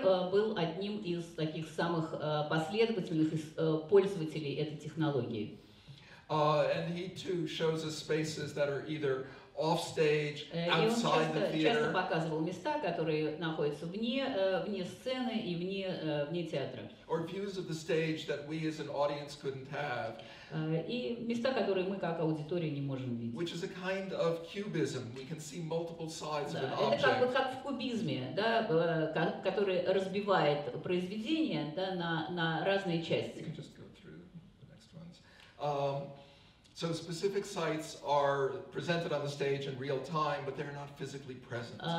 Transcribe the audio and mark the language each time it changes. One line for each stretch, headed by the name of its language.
Russian: Был одним из таких самых последовательных пользователей этой технологии.
English: And he too shows us spaces that are either offstage, outside the theater.
Russian: И он часто показывал места, которые находятся вне сцены и вне театра.
English: Or views of the stage that we as an audience couldn't have.
Russian: И места, которые мы как аудитория не можем видеть.
English: Which is a kind of cubism. We can see multiple sides of an object.
Russian: Это как в кубизме, да, который разбивает произведение, да, на разные части.
English: You can just go through the next ones. So specific sites are presented on the stage in real time, but they're not physically present.